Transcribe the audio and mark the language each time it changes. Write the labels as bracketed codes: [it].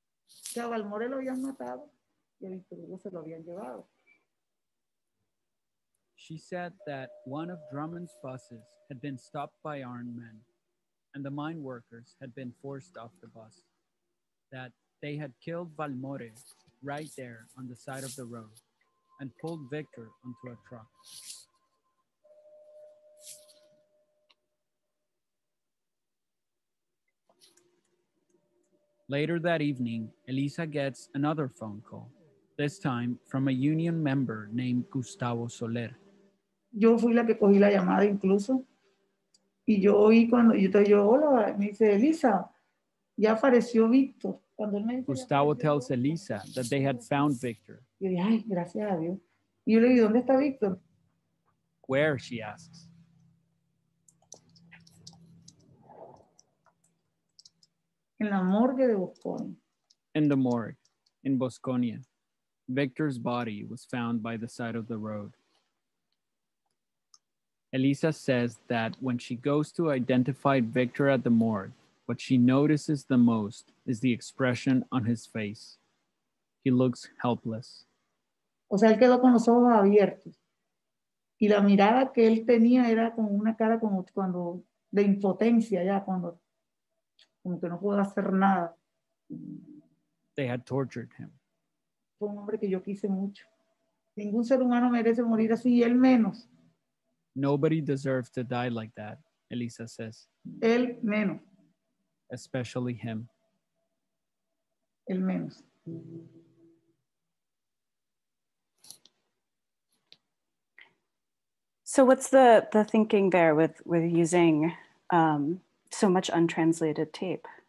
[es] Chaval More lo habían matado y a Victor Hugo se lo habían llevado. [en] She said that one of Drummond's buses had been stopped by armed men and the mine workers had been forced off the bus, that they had killed Valmore right there on the side of the road and pulled Victor onto a truck. Later that evening, Elisa gets another phone call, this time from a union member named Gustavo Soler. [es] Yo fui la que cogí la llamada incluso. Y yo oí cuando, entonces yo, hola, me dice, Elisa, ya apareció Víctor. Cuando él me dice, [en] Gustavo tells Elisa that they had found Victor. [es] Yo dije, ay, gracias a Dios. Y yo le dije, ¿dónde está Víctor? [en] Where, she asks. [es] En la morgue de Bosconia. [en] In the morgue, in Bosconia. Victor's body was found by the side of the road. Elisa says that when she goes to identify Victor at the morgue, what she notices the most is the expression on his face. He looks helpless. [es] O sea, él quedó con los ojos abiertos. Y la mirada que él tenía era como una cara como cuando de impotencia ya, cuando como que no puedo hacer nada. [en] They had tortured him. [es] Fue un hombre que yo quise mucho. Ningún ser humano merece morir así, y él menos. [en] Nobody deserves to die like that, Elisa says. [es] El menos. [en] Especially him. [es] El menos. [en] So what's the thinking there with using so much untranslated tape?